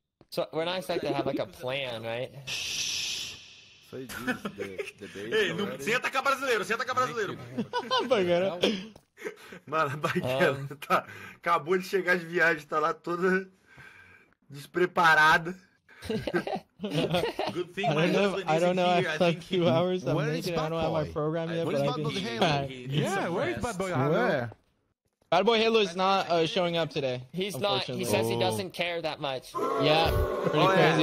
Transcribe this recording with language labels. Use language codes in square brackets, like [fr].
[en] So we're not expected to have like a plan, right? [pt] Ei, não, senta cá brasileiro, senta cá brasileiro. Baguetta. Mano, a Baguetta tá, acabou de chegar de viagem, tá lá toda despreparada. [en] Good thing I don't know, I've slept a few hours, I don't have my program yet, but I think... Yeah, where is Bad Boy Halo? Where? Bad Boy Halo is not showing up today. He's not. He says he doesn't care that much. Yeah. Pretty crazy.